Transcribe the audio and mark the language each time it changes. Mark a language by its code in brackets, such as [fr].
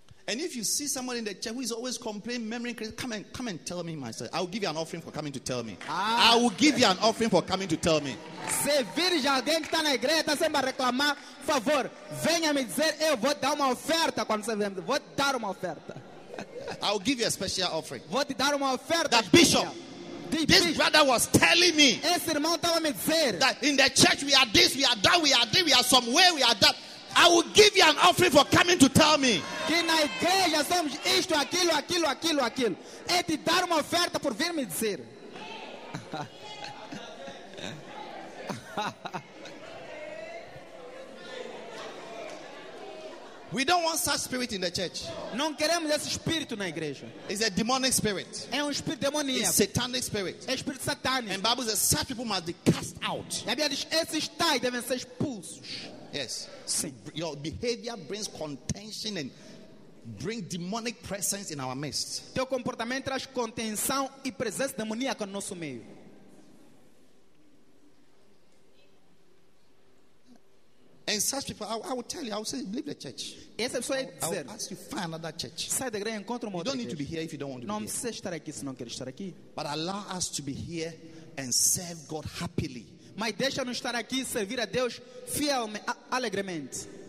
[en] And if you see someone in the church who is always complaining, memory, come and tell me myself. I will give you an offering for coming to tell me. Ah, I will give you an offering for coming to tell me. [pt] Se vir alguém que está na igreja, está sempre a reclamar, por favor, venha me dizer, eu vou dar uma oferta. Quando você vem, vou te dar uma oferta. [en] I will give you a special offering. [pt] Vou te dar uma oferta. [en] That bishop. This brother was telling me. [pt] Esse irmão estava me dizer. [en] That in the church we are this, we are that, we are this, we are some way, we are that. I will give you an offering for coming to tell me. [pt] Que na igreja temos isto, aquilo, aquilo, aquilo, aquilo. É te dar uma oferta por vir me dizer. [en] We don't want such spirit in the church. [pt] Não queremos esse espírito na igreja. [en] It's a demonic spirit. [pt] É espírito demoníaco. [en] It's a satanic spirit. [pt] É espírito satânico. [en] And Bible says such people must be cast out. [pt] E a Bíblia diz esses tais devem ser expulsos. [en] Yes. [pt] Sim. [en] Your behavior brings contention and bring demonic presence in our midst. [pt] Teu comportamento traz contenção e presença demoníaca no nosso meio. [en] And such people, I will tell you, I will say, leave the church. I will ask you, find another church. [pt] Sai da igreja, encontra uma outra. [en] You don't need to be here if you don't want to be here. [pt] Não precisa estar aqui se não queres estar aqui. [en] But allow us to be here and serve God happily. [pt] Mas deixa-nos estar aqui e servir a Deus fielmente, alegremente.